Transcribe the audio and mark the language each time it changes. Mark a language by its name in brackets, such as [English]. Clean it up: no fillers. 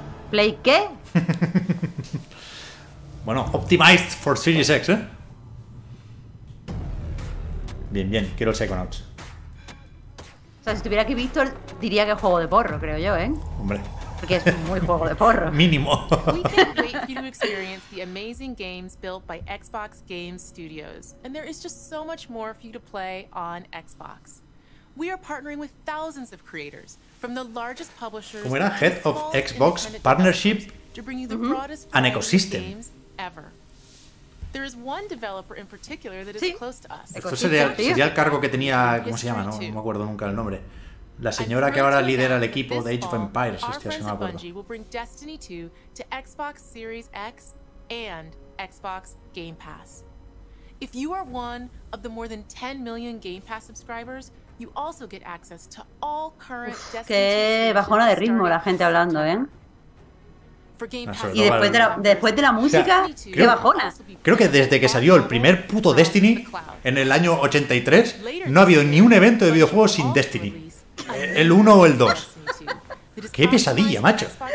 [Spanish] ¿Play qué? Bueno, [English] optimized for Series X, [Spanish] ¿eh? Bien, bien, quiero el Psychonauts. O sea, si estuviera aquí Víctor, diría que es juego de porro, creo yo, ¿eh? Hombre. Porque es muy juego de porro. Mínimo. [English] We can't wait for you to experience the amazing games built by Xbox Game Studios. And there is just so much more for you to play on Xbox. We are partnering with thousands of creators. From the largest publishers, [Spanish] como era [English] Head of Xbox Partnership and Ecosystem. There is one developer in particular that is close to us. [Spanish] Esto sería el cargo que tenía, ¿cómo se llama? No me acuerdo nunca el nombre. La señora que ahora lidera el equipo de Age of Empires, hostia, se me acuerdo. [English] Bungie will bring Destiny 2 to Xbox Series X and Xbox Game Pass. If you are one of the more than 10 million Game Pass subscribers, you also get access to all current Destiny 2. [Spanish] Qué bajona de ritmo la gente hablando, ¿eh? Y después de la música, o sea, qué bajona. Creo que desde que salió el primer puto Destiny en el año 83, no ha habido ni un evento de videojuegos sin Destiny. El 1 o el 2. Qué pesadilla, macho.